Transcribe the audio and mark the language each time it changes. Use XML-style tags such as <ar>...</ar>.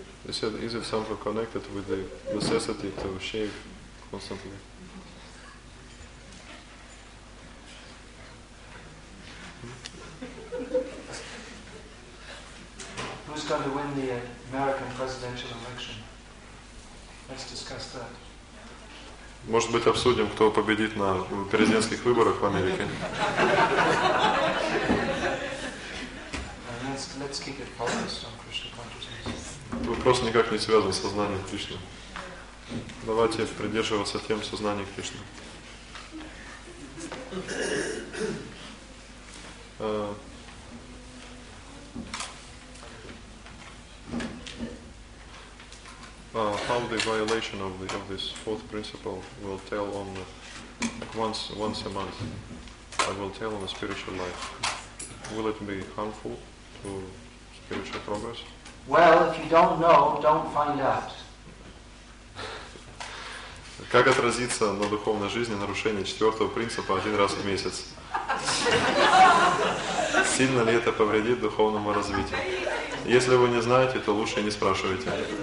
<en>They said, is it somehow connected with the necessity to shave constantly? Who's going to win the American presidential election? Let's discuss that.</en> <ru>Может быть, обсудим, кто победит на президентских выборах в Америке.</ru> <en>Let's keep it focused on Krishna consciousness.</en> <ru>Вопрос никак не связан с сознанием Кришны. Давайте придерживаться тем сознания Кришны.</ru> <en>How the violation of this fourth principle will tell on the, once a month, I will tell on the spiritual life. Will it be harmful to spiritual progress? Well, if you don't know, don't find out.</en> <ru>Как отразится на духовной жизни нарушение четвертого принципа один раз в месяц? Сильно ли это повредит духовному развитию? Если вы не знаете, то лучше не спрашивайте.</ru>